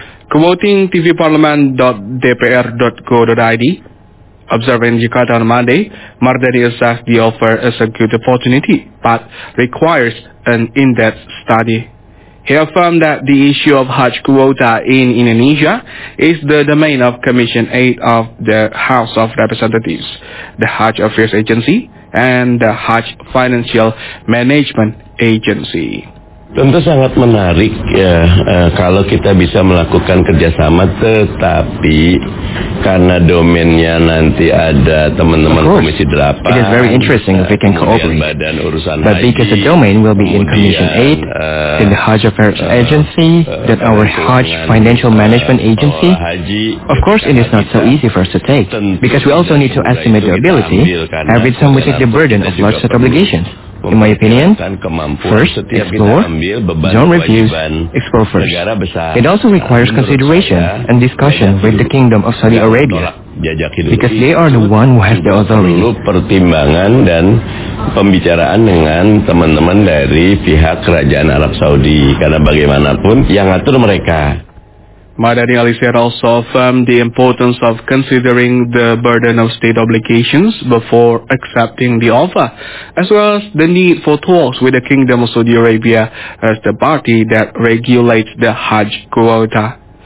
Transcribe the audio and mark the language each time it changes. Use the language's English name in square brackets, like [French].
[English] Quoting tvparlemen.dpr.go.id, observing Jakarta on Monday, Mardani assessed the offer as a good opportunity, but requires an in-depth study. He affirmed that the issue of Hajj quota in Indonesia is the domain of Commission 8 of the House of Representatives, the Hajj Affairs Agency, and the Hajj Financial Management Agency. [Indonesian] Tentu sangat menarik ya, kalau kita bisa melakukan kerjasama, tetapi karena domainnya nanti ada teman-teman Komisi 8, [English] it is very interesting if we can cooperate, but because the domain will be in Commission 8, in the Hajj Affairs Agency, that our Hajj Financial Management Agency, of course it is not so easy for us to take, because we also need to estimate the ability, every time we take the burden of large set obligations. In my opinion, first, explore, don't refuse, explore first. It also requires consideration and discussion with the Kingdom of Saudi Arabia. jajak hidup. Because they are the one who has the authority. [Indonesian] Perlu pertimbangan dan pembicaraan dengan teman-teman dari pihak Kerajaan Arab Saudi, karena bagaimanapun yang atur mereka. [English] Madani Alisher also affirmed the importance of considering the burden of state obligations before accepting the offer, as well as the need for talks with the Kingdom of Saudi Arabia as the party that regulates the Hajj quota.